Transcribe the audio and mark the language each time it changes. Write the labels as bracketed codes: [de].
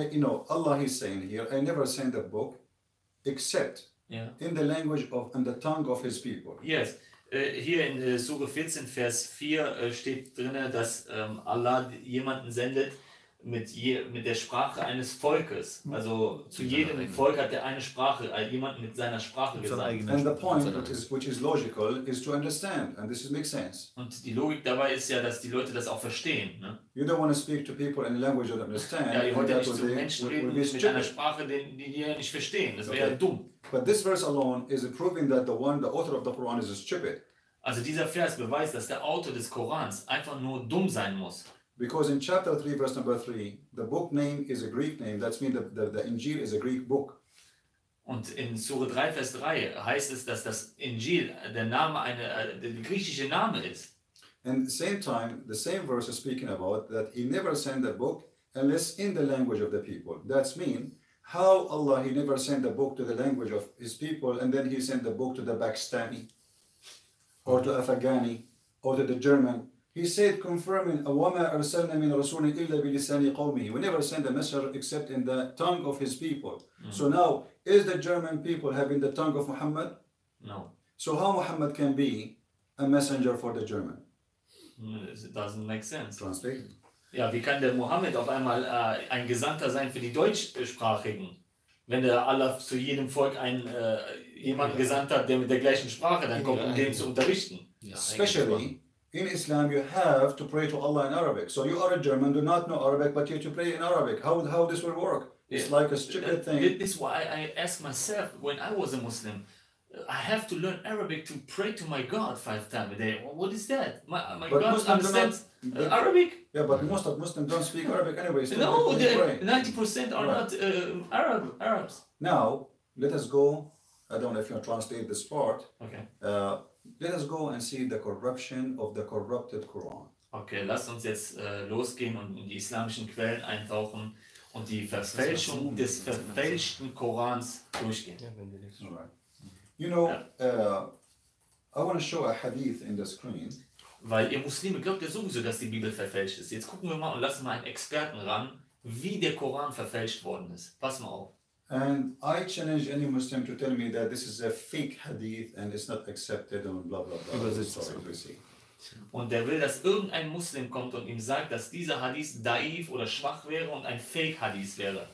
[en] You know, Allah is saying here, I never sent a book except in the language of and the tongue of his people. Yes. [de] Hier in Surah 14, Vers 4 steht drin, dass Allah jemanden sendet mit der Sprache eines Volkes. Also zu jedem Volk hat er eine Sprache, jemanden mit seiner Sprache gesandt. [en] And the point which is logical is to understand, and this makes sense. [de] Und die Logik dabei ist ja, dass die Leute das auch verstehen. Ne? [en] You don't want to speak to people in a language you don't understand. [de] Ja, ihr wollt ja nicht zu Menschen reden mit einer Sprache, die ihr nicht verstehen. Das wäre ja dumm. [en] But this verse alone is proving that the author of the Quran is stupid. [de] Also dieser Vers beweist, dass der Autor des Korans einfach nur dumm sein muss. [en] Because in chapter 3, verse number 3, the book name is a Greek name. That means the Injil is a Greek book. [de] Und in Surah 3, Vers 3 heißt es, dass das Injil der Name der griechische Name ist. [en] And same time, the same verse is speaking about that he never sent the book unless in the language of the people. That means how Allah, he never sent the book to the language of his people and then he sent the book to the Pakistani or to Afghani or to the German. He said, confirming, [ar] وَمَا أَرْسَلْنَا مِنْ رَسُولٍ إِلَّا بِلِسَانِ قَوْمِهِ. [en] We never sent a messenger except in the tongue of his people. Mm-hmm. So now, is the German people having the tongue of Muhammad? No. So how Muhammad can be a messenger for the German? It doesn't make sense. Translate. [de] Ja, wie kann der Mohammed auf einmal ein Gesandter sein für die Deutschsprachigen, wenn der Allah zu jedem Volk jemanden gesandt hat, der mit der gleichen Sprache dann kommt, um den zu unterrichten? [en] Especially in Islam, you have to pray to Allah in Arabic. So you are a German, do not know Arabic, but you have to pray in Arabic. How this will work? It's like a stupid thing. This is why I ask myself when I was a Muslim. I have to learn Arabic to pray to my God 5 times a day. What is that? My God Muslim understands Arabic? Yeah, but most of Muslims don't speak Arabic anyway. No, 90% are not Arabs. Now, let us go. I don't know if you want to translate this part. Okay. Let us go and see the corruption of the corrupted Quran. [de] Okay, lasst uns jetzt losgehen und in die islamischen Quellen eintauchen und die Verfälschung des verfälschten Korans durchgehen. Ja, wenn wir nicht. [en] All right. You know, I want to show a hadith in the screen. [de] Weil ihr Muslime glaubt ja sowieso, dass die Bibel verfälscht ist. Jetzt gucken wir mal und lassen mal einen Experten ran, wie der Koran verfälscht worden ist. Pass mal auf. [en] And I challenge any Muslim to tell me that this is a fake hadith and it's not accepted and blah blah blah. [de] Das ist so. Und der will, dass irgendein Muslim kommt und ihm sagt, dass dieser Hadith daif oder schwach wäre und ein fake Hadith wäre.